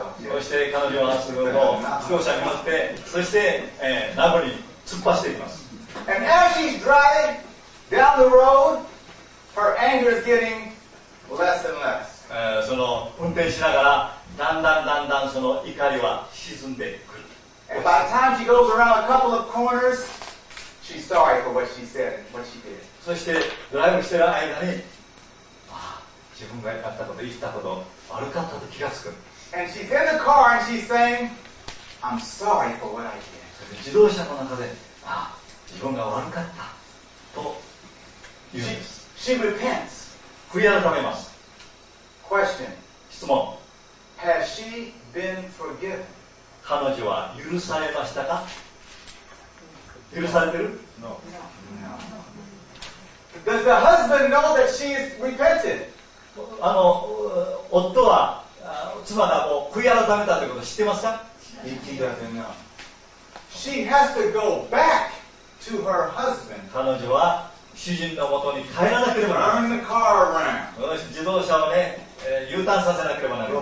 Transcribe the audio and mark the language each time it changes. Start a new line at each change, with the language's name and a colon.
Japanese: そして彼女はすぐの自動車に乗って、そして、名古屋に突っ走っていきます。
English: And as she's driving down the road, her anger is getting less and less.
Japanese: その運転しながら、だんだんだんだんその怒りは沈んでくる。
English: And by the time she goes around a couple of corners, she's sorry for what she said, what she did.
Japanese: そしてドライブしている間に、自分がやったこと、言ったこと、悪かったと気がつく。
English: And she's in the car and she's saying, I'm sorry for what I did.
Japanese: 自動車の中で、自分が悪かったと言うんです。
English: She repents.
Japanese: 悔い改めます。
English: Question.
Japanese: 質問。
English: Has she been forgiven?
Japanese: 彼女は許されましたか？許されてる？
English: No. Does the husband know that she is repented?
Japanese: 夫は妻がもう悔い改めたということを知ってますか？一気に言ってな。
English: She has to go back to her husband.
Japanese: 彼女は主人のもとに帰らなければならない。
English: Turn the car around.
Japanese: 自動車をね、U ターンさせなければならない。